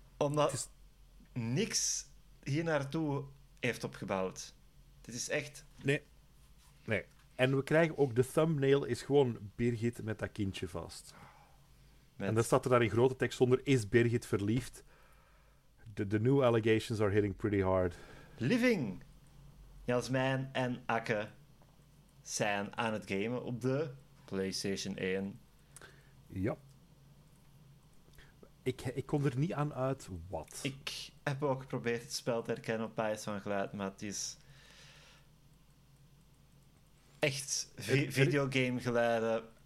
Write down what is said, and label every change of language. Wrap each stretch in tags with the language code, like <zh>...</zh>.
<nl>Omdat niks hier naartoe heeft opgebouwd. Dit is echt... Nee. En we krijgen ook de thumbnail is gewoon Birgit met dat kindje vast. En dan staat er daar in grote tekst onder, is Birgit verliefd?</nl> <en>The new allegations are hitting pretty hard. Living!</en> <nl>Jasmijn en Akke zijn aan het gamen op de PlayStation 1. Ja. Ik kon er niet aan uit wat. Ik heb ook geprobeerd het spel te herkennen op basis van geluid, maar het is echt videogame geluiden.</nl>